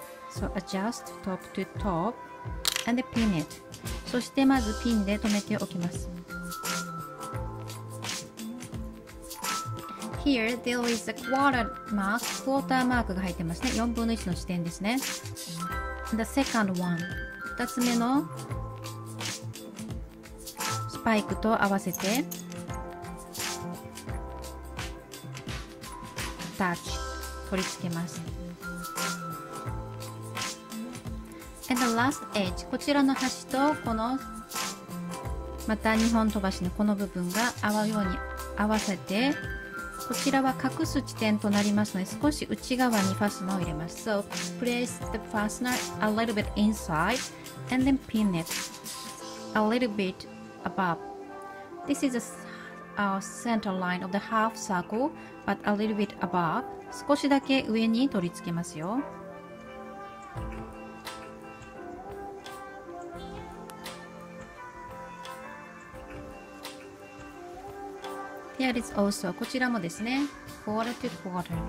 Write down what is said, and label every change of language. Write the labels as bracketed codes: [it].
[en] So adjust top to top and pin it. [ja] そしてまずピンで留めておきます。 [en] Here, there is a quarter mark, quarter mark [ja] が入ってますね。 4分の1の地点ですね。 [en] The second one, [ja] 2つ目のスパイクと合わせて、attach、取り付けます。 [en] And the last edge, [ja] こちらの端とこの、また2本飛ばしのこの部分が合うように合わせて、こちらは隠す地点となりますので、少し内側にファスナーを入れます。 [en] So, place the fastener a little bit inside and then pin it a little bit above. This is a center line of the half circle, but a little bit above. [ja] 少しだけ上に取り付けますよ。 [en] Here is also, [ja] こちらもですね、 [en] quarter to quarter.